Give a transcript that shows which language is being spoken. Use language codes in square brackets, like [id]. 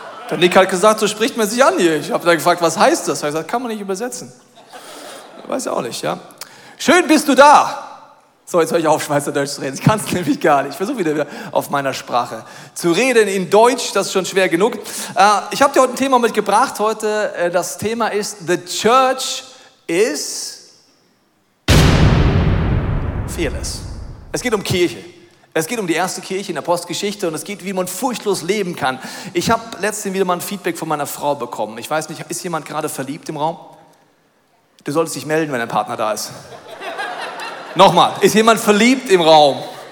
[de] Der Nick hat gesagt, so spricht man sich an hier. Ich habe dann gefragt, was heißt das? Er hat gesagt, kann man nicht übersetzen. Weiß ich auch nicht, ja. Schön bist du da. So, jetzt höre ich auf, Schweizerdeutsch zu reden. Ich kann es nämlich gar nicht. Ich versuche wieder auf meiner Sprache zu reden. In Deutsch, das ist schon schwer genug. Ich habe dir heute ein Thema mitgebracht. Heute, das Thema ist, [en] the church is fearless. [de] Es geht um Kirche. Es geht um die erste Kirche in der Apostelgeschichte und es geht, wie man furchtlos leben kann. Ich habe letztens wieder mal ein Feedback von meiner Frau bekommen. Ich weiß nicht, ist jemand gerade verliebt im Raum? Du solltest dich melden, wenn dein Partner da ist. Nochmal, ist jemand verliebt im Raum?